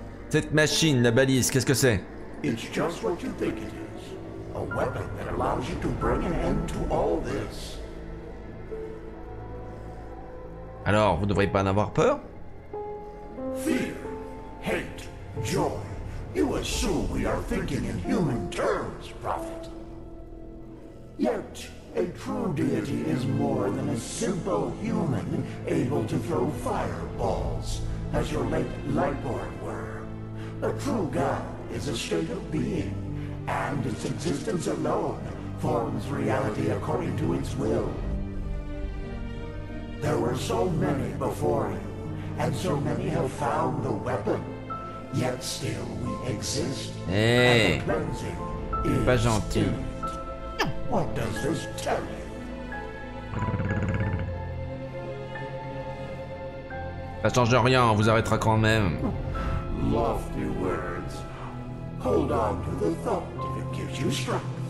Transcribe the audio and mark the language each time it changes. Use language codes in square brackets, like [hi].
[fr] Cette machine, la balise, qu'est-ce que c'est? [en] It's just what you think it is. A weapon that allows you to bring an end to all this. [fr] Alors, vous ne devriez pas en avoir peur? [en] Fear, hate, joy. You assume we are thinking in human terms, prophet. Yet, a true deity is more than a simple human able to throw fireballs, as your late Lightborn were. A true god is a state of being, and its existence alone forms reality according to its will. There were so many before you, and so many have found the weapon, yet still we exist, hey. And the cleansing is [fr] pas gentil. [en] What does this tell you? [fr] Ça change rien, on vous arrêtera quand même. [en] Lofty words. Hold on to the thought if it gives you strength.